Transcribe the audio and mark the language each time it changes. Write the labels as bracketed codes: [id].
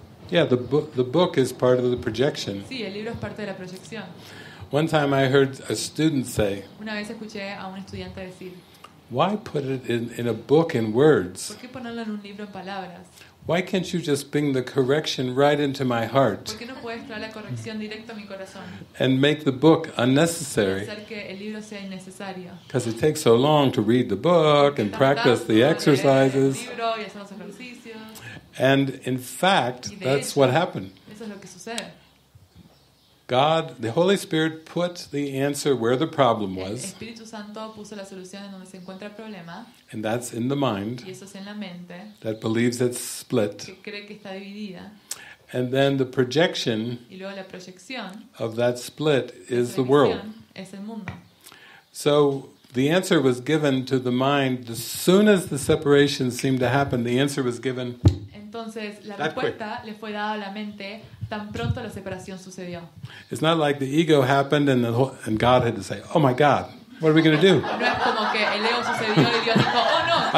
[en] Yeah, the book is part of the projection. [es] Sí, el libro es parte de la proyección. [en] One time I heard a student say. [es] Una vez escuché a un estudiante decir. [en] Why put it in a book in words? [es] ¿Por qué ponerlo en un libro en palabras? [en] Why can't you just bring the correction right into my heart? [es] ¿Por qué no puedes traer la corrección directo a mi corazón? [en] And make the book unnecessary. [es] Hacer que el libro sea innecesario. [en] Because it takes so long to read the book and practice the exercises. [es] El libro y hacer los ejercicios. [en] And in fact, that's what happened. [es] Eso es lo que sucede. [en] God, the Holy Spirit, put the answer where the problem was. [es] El Espíritu Santo puso la solución en donde se encuentra el problema. [en] And that's in the mind. [es] Y eso es en la mente. [en] That believes it's split. [es] Que cree que está dividida. [en] And then the projection. [es] Y luego la proyección. [en] Of that split is the world. [es] Es el mundo. [en] So the answer was given to the mind as soon as the separation seemed to happen. The answer was given. [es] Entonces la respuesta le fue dada a la mente. Tan pronto la separación sucedió. [en] It's not like the ego happened and God had to say, "Oh my God, what are we going to do?" [es] No es como que el ego sucedió y Dios dijo, "Oh no."